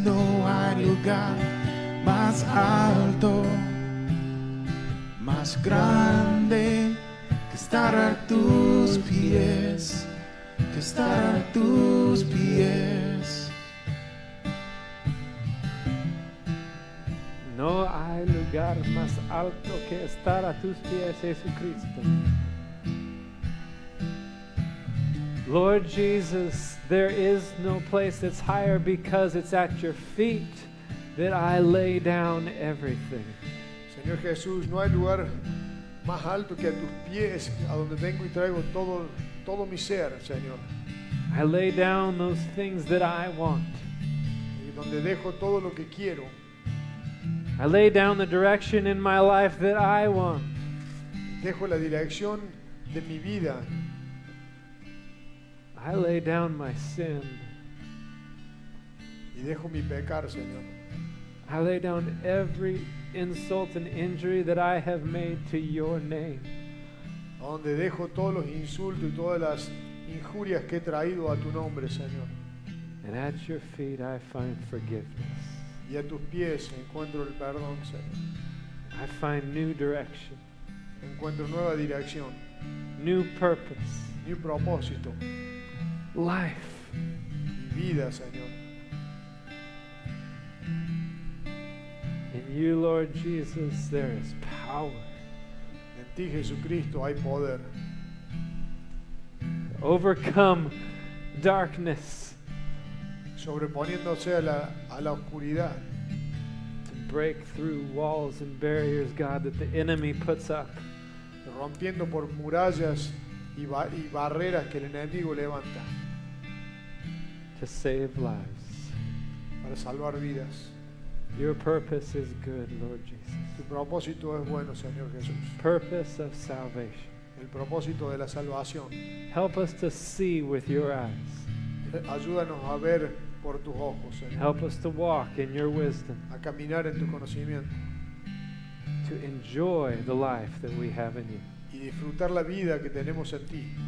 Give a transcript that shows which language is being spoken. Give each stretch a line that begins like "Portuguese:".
Spanish: No hay lugar más alto, más grande que estar a tus pies, que estar a tus pies. No hay lugar más alto que estar a tus pies, Jesucristo.
English: Lord Jesus, there is no place that's higher because it's at your feet that I lay down everything.
Spanish: Señor Jesús, no hay lugar más alto que a tus pies, a donde vengo y traigo todo mi ser, Señor.
English: I lay down those things that I want.
Spanish: Y donde dejo todo lo que quiero.
English: I lay down the direction in my life that I want.
Spanish: Dejo la dirección de mi vida.
English: I lay down my sin.
Spanish: Y dejo mi pecar, Señor.
English: I lay down every insult and injury that I have made to your name.
Spanish: Donde dejo todos los insultos y todas las injurias que he traído a tu nombre, Señor.
English: And at your feet I find forgiveness.
Spanish: Y a tus pies encuentro el perdón, Señor.
English: I find new direction.
Spanish: Encuentro nueva dirección.
English: New purpose.
Spanish: New propósito.
English: Life.
Spanish: Y vida, Señor.
English: In you, Lord Jesus, there is power.
Spanish: En ti, Jesucristo, hay poder.
English: Overcome darkness.
Spanish: Sobreponiéndose a la oscuridad.
English: To break through walls and barriers, God, that the enemy puts up.
Spanish: Rompiendo por murallas y barreras que el enemigo levanta.
English: To save lives.
Spanish: Para salvar vidas.
English: Your purpose is good, Lord Jesus.
Spanish: Tu propósito es bueno, Señor Jesús.
English: Purpose of salvation.
Spanish: El propósito de la salvación.
English: Help us to see with your eyes.
Spanish: Ayúdanos a ver por tus ojos, Señor.
English: Help us to walk in your wisdom.
Spanish: A caminar en tu conocimiento.
English: To enjoy the life that we have in you.
Spanish: Y disfrutar la vida que tenemos en ti.